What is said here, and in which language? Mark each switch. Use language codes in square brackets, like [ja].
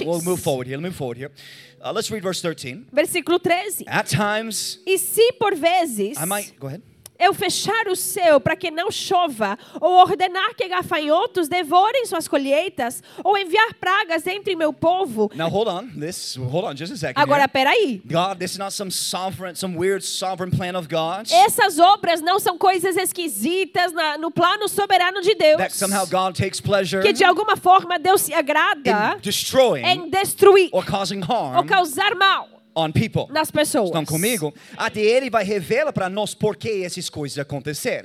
[en] We'll move forward here. Let me move forward here. Let's read verse 13. [pt] Versículo 13. [en] At times. [pt] E se por vezes. [en] I might. Go ahead. [pt] Eu fechar o céu para que não chova, ou ordenar que gafanhotos devorem suas colheitas, ou enviar pragas entre meu povo. [en] Now hold on, hold on just a second. [pt] Agora peraí. [en] God, this is not some weird sovereign plan of God. [pt] Essas obras não são coisas esquisitas no plano soberano de Deus. [en] That somehow God takes pleasure. [pt] Que de alguma forma Deus se agrada. [en] In destroying. [pt] Em destruir. [en] Or causing harm. [pt] Ou causar mal. [en] On people. [pt] Nas pessoas. Estão comigo? Até ele vai revelar para nós por que essas coisas aconteceram.